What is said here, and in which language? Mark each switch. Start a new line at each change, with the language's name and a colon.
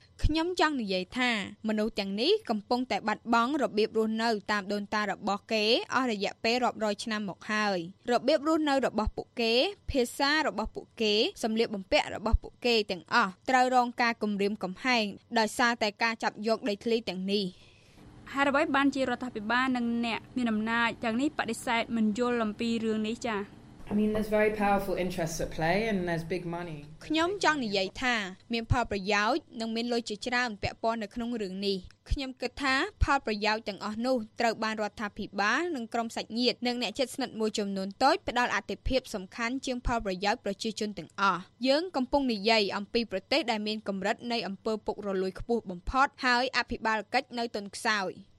Khmer: ខ្ញុំចង់និយាយថាមនុស្សទាំងនេះកំពុងតែបាត់បង់របៀបរស់នៅតាមដូនតារបស់គេអស់រយៈពេលរាប់រយឆ្នាំមកហើយរបៀបរស់នៅរបស់ពួកគេភាសារបស់ពួកគេសម្លៀកបំពាក់របស់ពួកគេទាំងអស់ត្រូវរងការគំរាមកំហែងដោយសារតែការចាប់យកដីធ្លីទាំងនេះ ហើយអ្វីបានជារដ្ឋាភិបាលនិងអ្នកមានអំណាចទាំងនេះបដិសេធមិនយល់អំពីរឿងនេះចា៎
English: I mean there's very powerful interests at play and there's big money.
Khmer: ខ្ញុំចង់និយាយថាមានផលប្រយោជន៍និងមានលុយច្រើនពាក់ព័ន្ធនៅក្នុងរឿងនេះ។ខ្ញុំគិតថាផលប្រយោជន៍ទាំងអស់នោះត្រូវបានរដ្ឋាភិបាលនិងក្រុមសាច់ញាតិនិងអ្នកជិតស្និទ្ធមួយចំនួនតូចផ្ដល់អតិភិបសំខាន់ជាងផលប្រយោជន៍ប្រជាជនទាំងអស់។យើងកំពុងនិយាយអំពីប្រទេសដែលមានកម្រិតនៃអំពើពុករលួយខ្ពស់បំផុតហើយអភិបាលកិច្ចនៅទន់ខ្សោយ